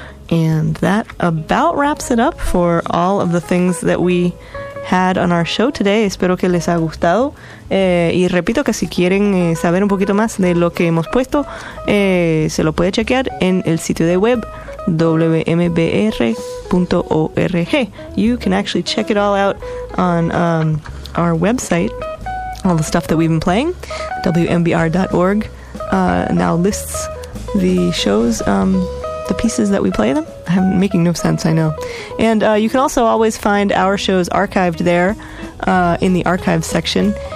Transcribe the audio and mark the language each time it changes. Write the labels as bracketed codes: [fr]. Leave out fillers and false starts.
[en] And that about wraps it up for all of the things that we had on our show today. [es] Espero que les haya gustado. Y repito que si quieren saber un poquito más de lo que hemos puesto, se lo puede chequear en el sitio de web wmbr.org. [en] You can actually check it all out on our website. All the stuff that we've been playing, wmbr.org. Now lists the shows, the pieces that we play them. I'm making no sense, I know. And you can also always find our shows archived there in the archives section.